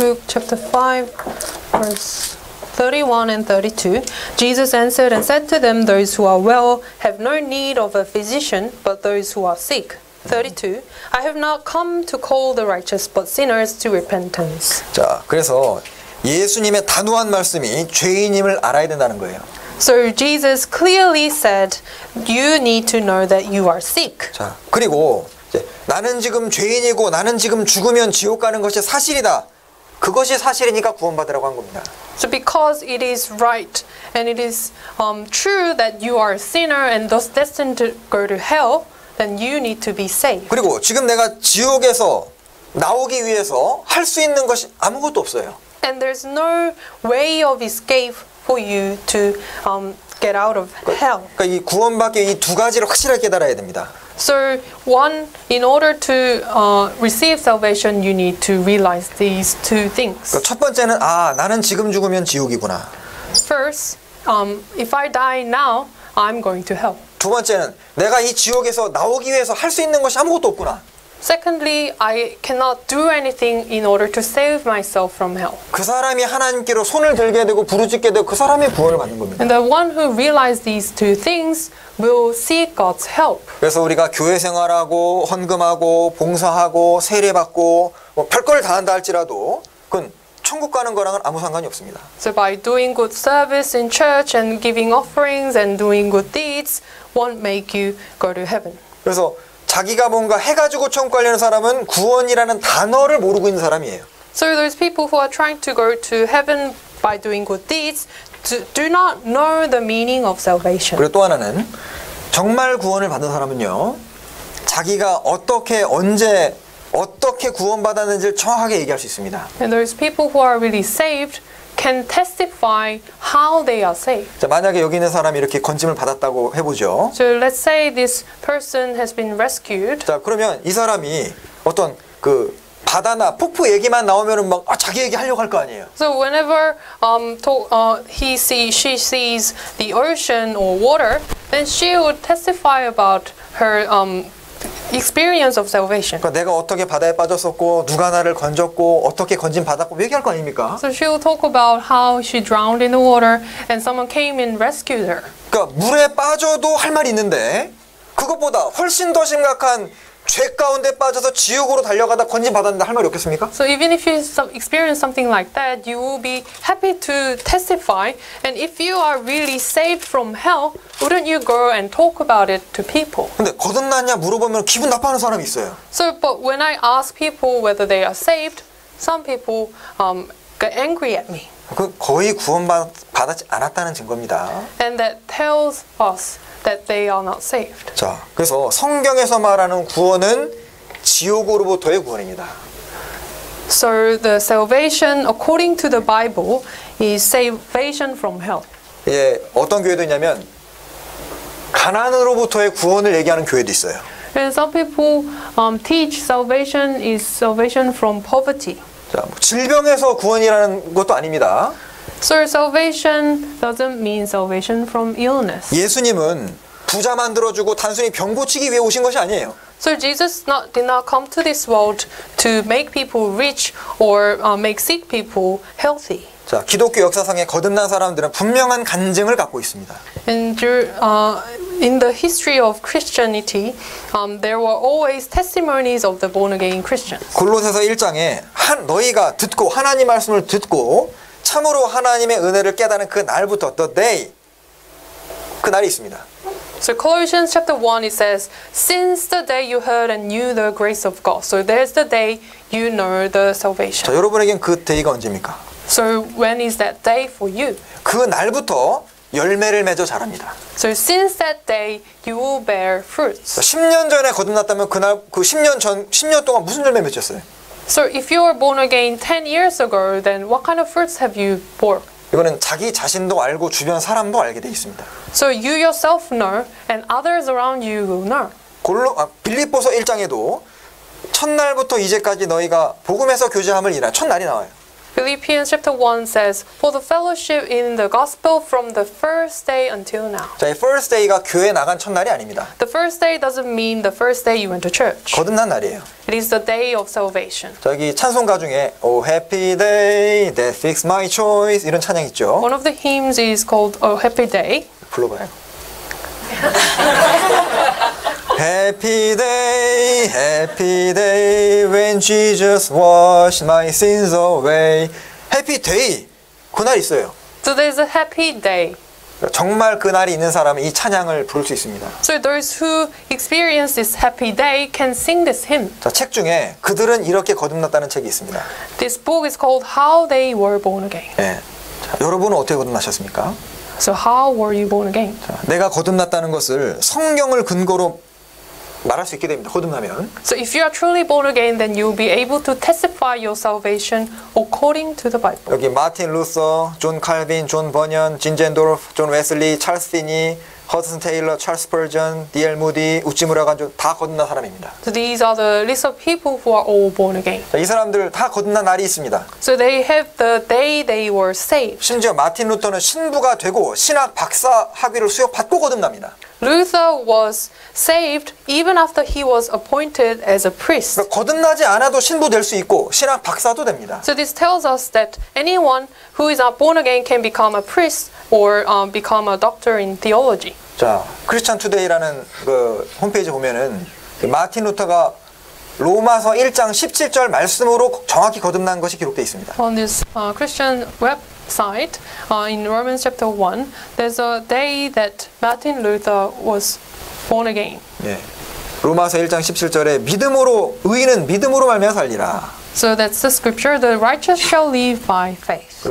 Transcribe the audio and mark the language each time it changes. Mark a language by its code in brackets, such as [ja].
[en] Luke chapter 5 verse 31 and 32 Jesus answered and said to them those who are well have no need of a physician but those who are sick 32 I have not come to call the righteous but sinners to repentance. [ko] 자, 그래서 예수님의 단호한 말씀이 죄인임을 알아야 된다는 거예요. [en] So Jesus clearly said you need to know that you are sick. [ko] 자, 그리고 나는 지금 죄인이고 나는 지금 죽으면 지옥 가는 것이 사실이다. 그것이 사실이니까 구원받으라고 한 겁니다. [en] So because it is right and it is true that you are a sinner and thus destined to go to hell, then you need to be saved. [ko] 그리고 지금 내가 지옥에서 나오기 위해서 할 수 있는 것이 아무것도 없어요. [en] And there's no way of escape for you to get out of hell. [ko] 그러니까 이 구원밖에 이 두 가지를 확실하게 깨달아야 됩니다. [en] So one, in order to receive salvation, you need to realize these two things. [ko] 그러니까 첫 번째는 아, 나는 지금 죽으면 지옥이구나. [en] First, if I die now, I'm going to hell. [ko] 두 번째는 내가 이 지옥에서 나오기 위해서 할 수 있는 것이 아무것도 없구나. [en] Secondly, I cannot do anything in order to save myself from hell. [ko] 그 사람이 하나님께로 손을 들게 되고 부르짖게 되고 그 사람이 구원을 받는 겁니다. [en] And the one who realizes these two things will seek God's help. [ko] 그래서 우리가 교회 생활하고 헌금하고 봉사하고 세례 받고 뭐 별걸 다 한다 할지라도 그건 천국 가는 거랑은 아무 상관이 없습니다. [en] So by doing good service in church and giving offerings and doing good deeds won't make you go to heaven. [ko] 그래서 자기가 뭔가 해가지고 천국 가려는 사람은 구원이라는 단어를 모르고 있는 사람이에요. [en] So those people who are trying to go to heaven by doing good deeds do not know the meaning of salvation. [ko] 그리고 또 하나는 정말 구원을 받은 사람은요, 자기가 어떻게 언제 어떻게 구원받았는지를 정확하게 얘기할 수 있습니다. [en] And those people who are really saved can testify how they are saved. [ko] 자, 만약에 여기 있는 사람이 이렇게 건짐을 받았다고 해보죠. [en] So let's say this person has been rescued. [ko] 자, 그러면 이 사람이 어떤 그 바다나 폭포 얘기만 나오면은 막 아, 자기 얘기 하려고 할 거 아니에요. [en] So whenever he see she sees the ocean or water, then she would testify about her experience of salvation. [ko] 그러니까 내가 어떻게 바다에 빠졌었고 누가 나를 건졌고 어떻게 건짐 받았고 얘기할 거 아닙니까? [en] So she will talk about how she drowned in the water and someone came and rescued her. [ko] 그러니까 물에 빠져도 할 말이 있는데 그것보다 훨씬 더 심각한 죄 가운데 빠져서 지옥으로 달려가다 건짐 받았는데 할 말이 없겠습니까? [en] So even if you experience something like that, you will be happy to testify. And if you are really saved from hell, wouldn't you go and talk about it to people? [ko] 근데 거듭났냐 물어보면 기분 나빠하는 사람이 있어요. [en] So but when I ask people whether they are saved, some people get angry at me. [ko] 그 거의 구원받았지 않았다는 증거입니다. [en] And that tells us that they are not saved. [ko] 자, 그래서 성경에서 말하는 구원은 지옥으로부터의 구원입니다. [en] So the salvation according to the Bible is salvation from hell. [ko] 예, 어떤 교회도 있냐면 가난으로부터의 구원을 얘기하는 교회도 있어요. [en] And some people teach salvation is salvation from poverty. [ko] 자, 뭐 질병에서 구원이라는 것도 아닙니다. [en] So salvation doesn't mean salvation from illness. [ko] 예수님은 부자 만들어주고 단순히 병 고치기 위해 오신 것이 아니에요. [en] So Jesus did not come to this world to make people rich or make sick people healthy. [ko] 자, 기독교 역사상에 거듭난 사람들은 분명한 간증을 갖고 있습니다. [en] And in the history of Christianity, there were always testimonies of the born again Christians. [ko] 골로새서 1장에 너희가 듣고 하나님 말씀을 듣고 참으로 하나님의 은혜를 깨닫는 그 날부터 [en] the day [ko] 그 날이 있습니다. [en] So Colossians chapter 1 it says since the day you heard and knew the grace of God. So there's the day you know the salvation. [ko] 자, 여러분에겐 그 데이가 언제입니까? [en] So when is that day for you? [ko] 그 날부터 열매를 맺어 자랍니다. [en] So since that day you will bear fruits. [ko] 10년 전에 거듭났다면 그날 그 10년 전 10년 동안 무슨 열매 맺었어요? [en] So if you were born again 10 years ago, then what kind of fruits have you bore? [ko] 이거는 자기 자신도 알고 주변 사람도 알게 돼 있습니다. [en] So you yourself know, and others around you will know. [ko] 빌립보서 1장에도 첫날부터 이제까지 너희가 복음에서 교제함을 이라 첫날이 나와요. [en] Philippians chapter 1 says, for the fellowship in the gospel from the first day until now. [ko] 자, 이 [en] first day [ko] 가 교회 나간 첫날이 아닙니다. [en] The first day doesn't mean the first day you went to church. [ko] 거듭난 날이에요. [en] It is the day of salvation. [ko] 자, 여기 찬송가 중에 [en] Oh happy day that fixed my choice [ko] 이런 찬양 있죠. [en] One of the hymns is called Oh happy day. [ko] 불러봐요. [en] Happy day, happy day when Jesus washed my sins away. Happy day, [ko] 그날 있어요. [en] So there's a happy day. [ko] 정말 그날이 있는 사람은 이 찬양을 부를 수 있습니다. [en] So those who experience this happy day can sing this hymn. [ko] 자, 책 중에 그들은 이렇게 거듭났다는 책이 있습니다. [en] This book is called How They Were Born Again. [ko] 네. 자, 여러분은 어떻게 거듭나셨습니까? [en] So how were you born again? [ko] 자, 내가 거듭났다는 것을 성경을 근거로 말할 수 있게 됩니다. 거듭나면. [en] So if you are truly born again, then you will be able to testify your salvation according to the Bible. [ko] 여기 마틴 루서, 존 칼빈, 존 버니언, 진젠도르프, 존 웨슬리, 찰스 피니, 허드슨 테일러, 찰스 스펄전, D.L. 무디, 우찌무라 간주 다 거듭난 사람입니다. [en] So these are the list of people who are all born again. [ko] 자, 이 사람들 다 거듭난 날이 있습니다. [en] So they have the day they were saved. [ko] 심지어 마틴 루터는 신부가 되고 신학 박사 학위를 수여받고 거듭납니다. [en] Luther was saved even after he was appointed as a priest. [ko] 거듭나지 않아도 신부 될 수 있고 신학 박사도 됩니다. [en] So this tells us that anyone who is not born again can become a priest or become a doctor in theology. [ko] 자, Christian Today라는 그 홈페이지 보면은 마틴 루터가 로마서 1장 17절 말씀으로 정확히 거듭난 것이 기록되어 있습니다. [en] On this Christian website, in Romans chapter 1, there's a day that Martin Luther was born again. [ko] 네. 로마서 1장 17절에 믿음으로 의인은 믿음으로 말미암아 살리라. [en] So that's the scripture, the righteous shall live by faith.